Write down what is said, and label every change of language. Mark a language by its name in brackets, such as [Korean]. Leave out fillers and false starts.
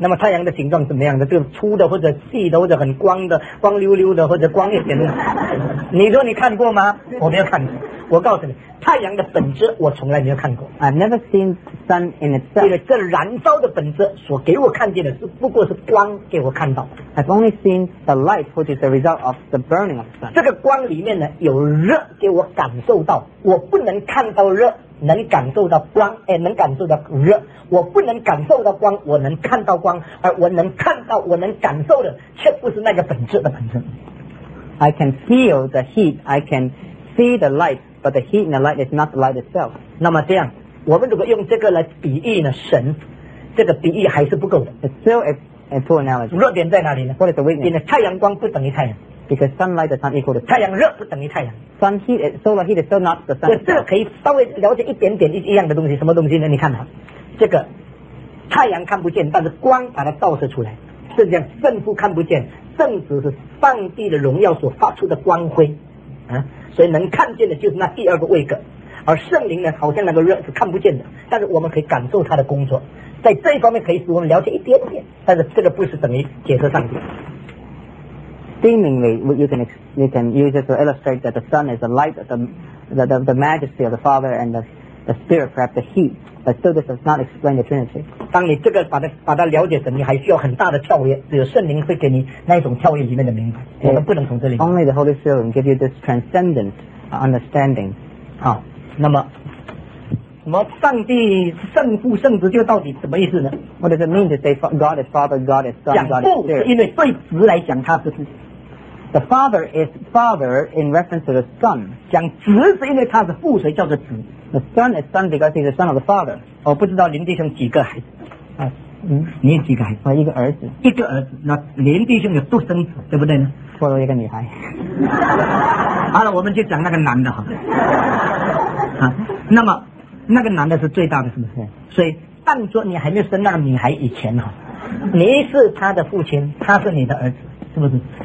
[Chinese] 那么太阳的形状怎么样的？就粗的或者细的或者很光的，光溜溜的或者光一点的？你说你看过吗？我没有看过。我告诉你，太阳的本质我从来没有看过。 [English] I've never seen sun in itself。 [Chinese] 因为这燃烧的本质所给我看见的是不过是光给我看到。 [English] I've only seen the light, which is the result of the burning of the sun。 [Chinese] 这个光里面呢有热给我感受到，我不能看到热。能感受到光，哎，能感受到热。我不能感受到光，我能看到光，而我能看到，我能感受的，却不是那个本质的本质。 [English] I can feel the heat, I can see the light, but the heat and the light is not the light itself. [Chinese] 那么这样，我们如果用这个来比喻呢，神，这个比喻还是不够的。 [English] It's still a poor analogy. [Chinese] 弱点在哪里呢 [English] ？What is the weakness? [Chinese] 因为太阳光不等于太阳。 [English] Because sunlight is not equal to [Chinese] 太阳热不等于太阳。 [English] Sun heat, solar heat is still not the sun. [Chinese] 这个可以稍微了解一点点一样的东西，什么东西呢？你看哈，这个太阳看不见，但是光把它照射出来。是这样，圣父看不见，圣子是上帝的荣耀所发出的光辉，所以能看见的就是那第二个位格。而圣灵呢，好像那个热是看不见的，但是我们可以感受它的工作，在这一方面可以使我们了解一点点，但是这个不是等于解释上帝。 [English] Seemingly, you can use it to illustrate that the sun is the light, the majesty of the Father and the the Spirit, perhaps the He, but still this does not explain the Trinity. [Chinese] 当你这个把它了解成，你还需要很大的跳跃，只有圣灵会给你那种跳跃里面的明白。我们不能从这里。 [English] Only the Holy Spirit can give you this transcendent understanding. [Chinese] 好，那么什么上帝圣父圣子就到底什么意思呢？ [English] What does it mean to say God is Father, God is Son, God is Spirit? [Chinese] 讲父是因为对子来讲，他不是。 [English] The Father is Father in reference to the Son. [Chinese] 讲子是因为他是父，所以叫做子。 [English] The Son is Son because he's the Son of the Father. [Chinese] 我不知道林弟兄几个孩子。你有几个孩子？我一个儿子。一个儿子，那林弟兄有独生子，对不对呢？我有一个女孩。好了，我们就讲那个男的哈。那么那个男的是最大的，是不是？所以，当作你还没有生那个女孩以前哈，你是他的父亲，他是你的儿子，是不是？